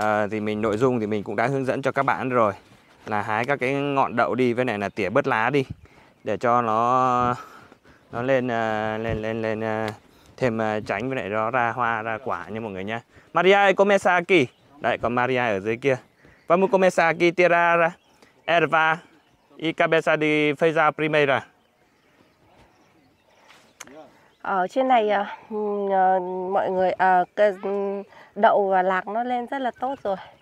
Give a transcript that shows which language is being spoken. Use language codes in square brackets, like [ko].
[vi] Thì mình nội dung thì mình cũng đã hướng dẫn cho các bạn rồi, là hái các cái ngọn đậu đi, với lại là tỉa bớt lá đi để cho nó lên thêm tránh, với lại nó ra hoa ra quả nha mọi người nha. [pt] Maria come sa qui? [vi] Đấy, còn Maria ở dưới kia. [pt] Vamos começar aqui tirar erva e cabeça de feijão primeira. [vi] Ở trên này mọi người đậu và lạc nó lên rất là tốt rồi.